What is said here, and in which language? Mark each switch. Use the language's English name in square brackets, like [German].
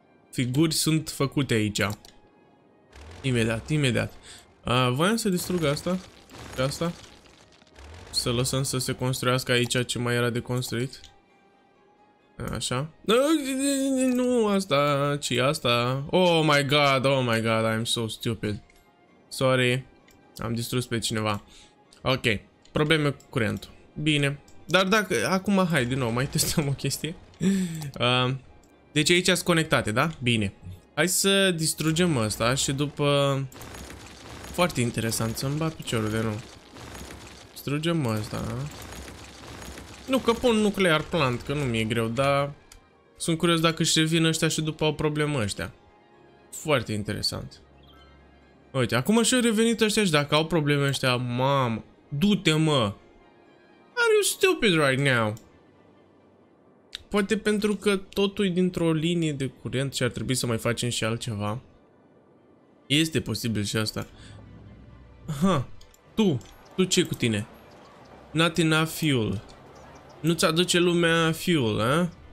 [Romanian] Figuri sunt făcute aici. Imediat, imediat. Voiam să distrug asta? Asta? Să lăsăm să se construiască aici ce mai era de construit. Așa. Nu asta, ci asta. [English] Oh my god, oh my god, I'm so stupid. [Romanian] Sorry. Am distrus pe cineva. Ok, probleme cu curentul. Bine. Dar dacă, acum hai din nou, mai testăm o chestie. Deci aici sunt conectate, da? Bine. Hai să distrugem ăsta și după... Foarte interesant, să-mi bat piciorul de nou. Distrugem ăsta. Nu, că pun nuclear plant, că nu mi-e greu, dar... Sunt curios dacă își revin ăștia și după au problemă ăștia. Foarte interesant. Uite, acum și-au revenit ăștia și dacă au probleme ăștia, mamă, du-te mă! [English] Are you stupid right now? [Romanian] Poate pentru că totul e dintr-o linie de curent și ar trebui să mai facem și altceva. Este posibil și asta. Ha, tu ce cu tine? [English] Not enough fuel. [Romanian] Nu ți-aduce lumea fuel, ha?